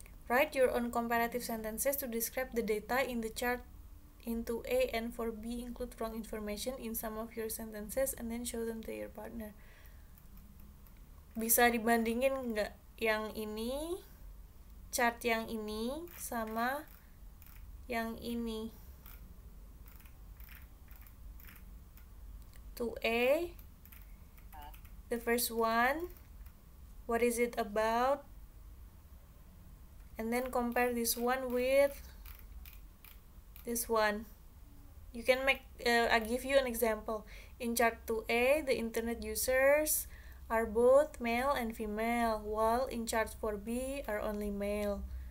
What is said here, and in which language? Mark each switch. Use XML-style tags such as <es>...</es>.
<en>Write your own comparative sentences to describe the data in the chart into A, and for B, include wrong information in some of your sentences and then show them to your partner.</en> <id>Bisa dibandingin nggak yang ini, chart yang ini sama yang ini?</id> <en>2A, the first one, what is it about? And then compare this one with this one. You can make, I give you an example. In chart 2A, the internet users are both male and female, while in chart 4B are only male.</en>